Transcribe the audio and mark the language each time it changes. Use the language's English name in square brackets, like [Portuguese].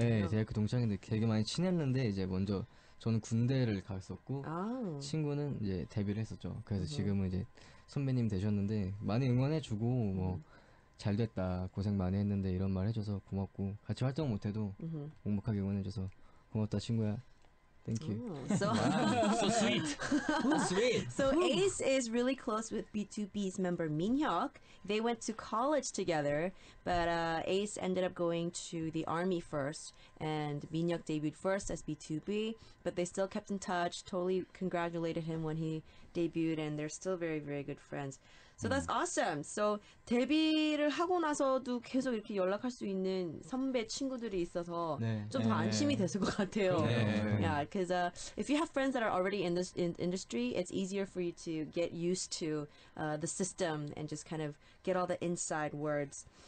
[Korean] 네, 대학교 동창인데 되게 많이 친했는데 이제 먼저 저는 군대를 갔었고 친구는 이제 데뷔를 했었죠. 그래서 지금은 이제 선배님 되셨는데 많이 응원해주고 뭐. 잘 됐다 고생 많이 했는데 이런 말 해줘서 고맙고 같이 활동 못해도 묵묵하게 응원해줘서 고맙다 친구야 [English] Thank you. So sweet. So Ace is really close with B2B's member Minhyuk. They went to college together, but Ace ended up going to the army first, and Minhyuk debuted first as B2B. But they still kept in touch. Totally congratulated him when he debuted, and they're still very, very good friends. So that's awesome. [Korean] So 데뷔를 하고 나서도 계속 이렇게 연락할 수 있는 선배 친구들이 있어서 좀 더 안심이 됐을 것 같아요. [English] Yeah, because if you have friends that are already in this industry, it's easier for you to get used to the system and just kind of get all the inside words.